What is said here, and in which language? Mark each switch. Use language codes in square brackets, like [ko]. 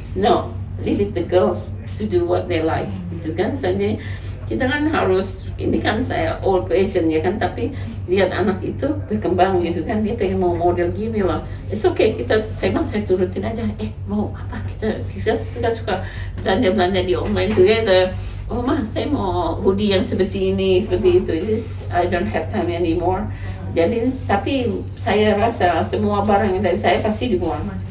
[en] No, leave it the girls to do what they like. [id] Itu kan. Soalnya kita kan harus ini kan saya old fashion ya kan. Tapi lihat anak itu berkembang gitu kan, dia pengen mau model gini lah. [en] It's okay, [id] kita saya bilang saya turutin aja. Mau apa, kita suka belanja di online [en] together. [id] Oh mah, saya mau hoodie yang seperti ini, seperti itu. [en] This, I don't have time anymore. [id] Jadi, tapi saya rasa semua barang yang dari saya pasti dibuang.